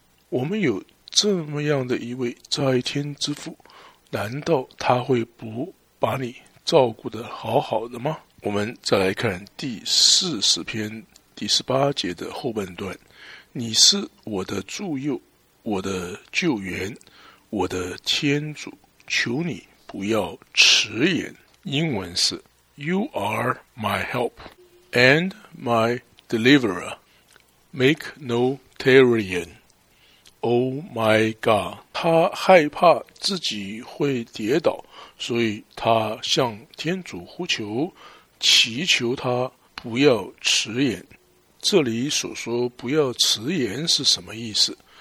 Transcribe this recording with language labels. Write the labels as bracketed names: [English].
[Chinese] 我们有这么样的一位在天之父，难道他会不把你照顾得好好的吗？我们再来看第四十篇第十八节的后半段，你是我的助佑，我的救援，我的天主，求你不要迟延。英文是 [English] You are my help and my deliverer. Make no tarrying. Oh my God. [Chinese] 他害怕自己会跌倒，所以他向天主呼求，祈求他不要迟延。这里所说不要迟延是什么意思？